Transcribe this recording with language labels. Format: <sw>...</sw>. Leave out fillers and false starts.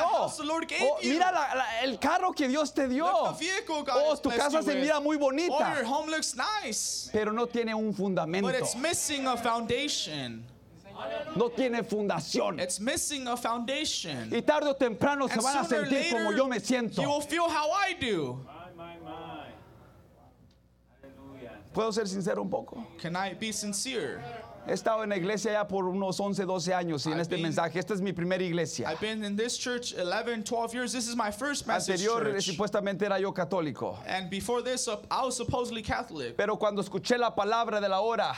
<en>Look the house the Lord gave you.</en> <es>Mira el carro que Dios te dio.</es> <en>Look the vehicle God has blessed you with.</en> <es>Tu casa se mira muy bonita.</es> <en>Or your home looks nice.</en> <es>Pero no tiene un fundamento.</es> <en>But it's missing a foundation.</en> <es>No tiene fundación.</es> <en>It's missing a foundation.</en> <es>Y tarde o temprano se van a sentir</es> <en>later,</en> <es>como yo me siento.</es> <en>You will feel how I do.</en> <es>¿Puedo ser sincero un poco?</es> <en>Can I be sincere?</en> <es>He estado en la iglesia ya por unos 11, 12 años y en este mensaje. Esta es mi primera iglesia.</es> <en>I've been in this church 11, 12 years. This is my first message.</en> <es>Anterior,</es> <en>church.</en> <es>Supuestamente era yo católico.</es> <en>And before this, I was supposedly Catholic.</en> <es>Pero cuando escuché la palabra de la hora,</es>